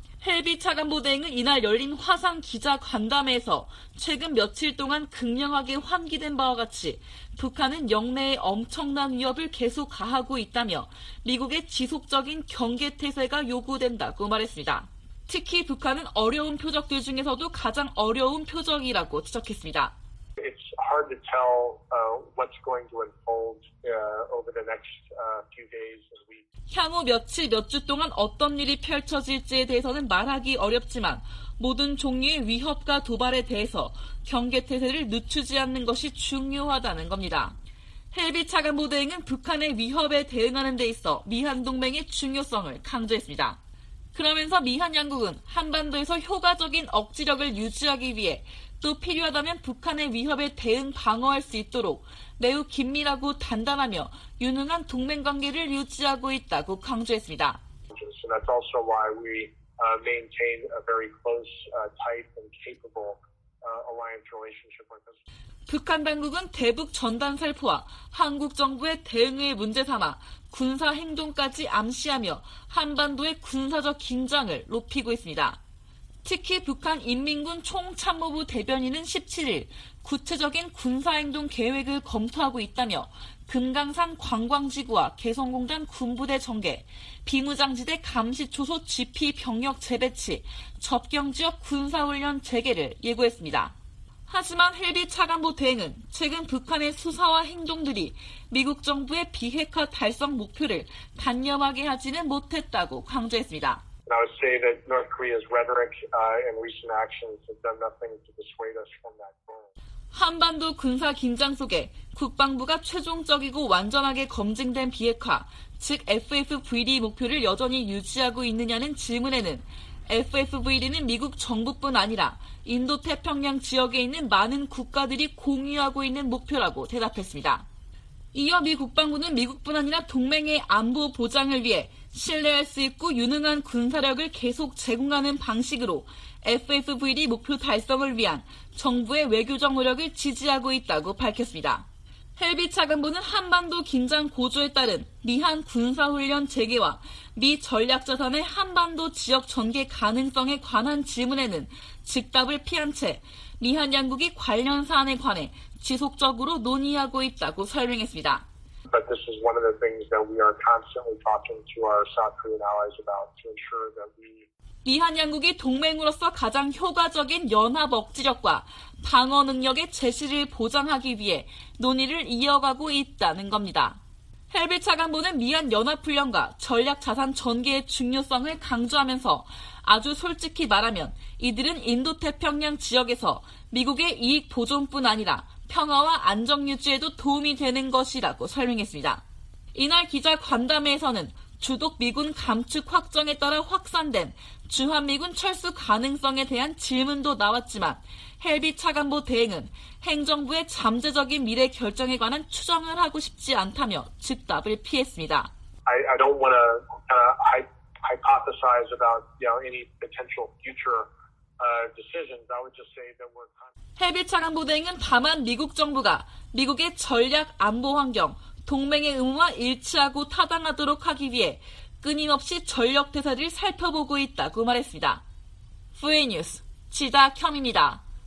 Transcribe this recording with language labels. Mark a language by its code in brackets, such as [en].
[ko] 헬비 차관보대행은 이날 열린 화상 기자간담회에서 최근 며칠 동안 극명하게 환기된 바와 같이 북한은 영내에 엄청난 위협을 계속 가하고 있다며 미국의 지속적인 경계태세가 요구된다고 말했습니다. 특히 북한은 어려운 표적들 중에서도 가장 어려운 표적이라고 지적했습니다. [en] It's hard to tell what's going to unfold over the next few days and weeks. [ko] 향후 며칠, 몇 주 동안 어떤 일이 펼쳐질지에 대해서는 말하기 어렵지만 모든 종류의 위협과 도발에 대해서 경계태세를 늦추지 않는 것이 중요하다는 겁니다. 헬비 차관보대행은 북한의 위협에 대응하는 데 있어 미한동맹의 중요성을 강조했습니다. 그러면서 미한 양국은 한반도에서 효과적인 억지력을 유지하기 위해 또 필요하다면 북한의 위협에 대응 방어할 수 있도록 매우 긴밀하고 단단하며 유능한 동맹관계를 유지하고 있다고 강조했습니다. [en] That's also why we maintain a very close, tight and capable alliance relationship with us. [ko] 북한 당국은 대북 전단 살포와 한국 정부의 대응을 문제 삼아 군사 행동까지 암시하며 한반도의 군사적 긴장을 높이고 있습니다. 특히 북한 인민군 총참모부 대변인은 17일 구체적인 군사행동 계획을 검토하고 있다며 금강산 관광지구와 개성공단 군부대 전개, 비무장지대 감시초소 GP 병력 재배치, 접경지역 군사훈련 재개를 예고했습니다. 하지만 헬비 차관보 대행은 최근 북한의 수사와 행동들이 미국 정부의 비핵화 달성 목표를 단념하게 하지는 못했다고 강조했습니다. [en] I would say that North Korea's rhetoric and recent actions have done nothing to dissuade us from that goal. [ko] 한반도 군사 긴장 속에 국방부가 최종적이고 완전하게 검증된 비핵화, 즉 FFVD 목표를 여전히 유지하고 있느냐는 질문에는 FFVD는 미국 정부뿐 아니라 인도태평양 지역에 있는 많은 국가들이 공유하고 있는 목표라고 대답했습니다. 이어 미 국방부는 미국뿐 아니라 동맹의 안보 보장을 위해 신뢰할 수 있고 유능한 군사력을 계속 제공하는 방식으로 FFVD 목표 달성을 위한 정부의 외교적 노력을 지지하고 있다고 밝혔습니다. 헬비 차관보는 한반도 긴장 고조에 따른 미한 군사훈련 재개와 미 전략자산의 한반도 지역 전개 가능성에 관한 질문에는 즉답을 피한 채 미한 양국이 관련 사안에 관해 지속적으로 논의하고 있다고 설명했습니다. [en] But this is one of the things that we are constantly talking to our South Korean allies about to ensure that we [ko] 미한 양국이 동맹으로서 가장 효과적인 연합 억지력과 방어 능력의 제시를 보장하기 위해 논의를 이어가고 있다는 겁니다. 헬비 차관보는 미한 연합훈련과 전략자산 전개의 중요성을 강조하면서 아주 솔직히 말하면 이들은 인도태평양 지역에서 미국의 이익 보존뿐 아니라 평화와 안정 유지에도 도움이 되는 것이라고 설명했습니다. 이날 기자간담회에서는 주독 미군 감축 확정에 따라 확산된 주한미군 철수 가능성에 대한 질문도 나왔지만 헬비 차관보 대행은 행정부의 잠재적인 미래 결정에 관한 추정을 하고 싶지 않다며 즉답을 피했습니다. [en] I don't want to hypothesize about any potential future decisions. I would just say that we're [ko] 헬비 차관보 대행은 다만 미국 정부가 미국의 전략 안보 환경 동맹의 의무와 일치하고 타당하도록 하기 위해 끊임없이 전력 태세를 살펴보고 있다고 말했습니다. VOA 뉴스 지다켬입니다.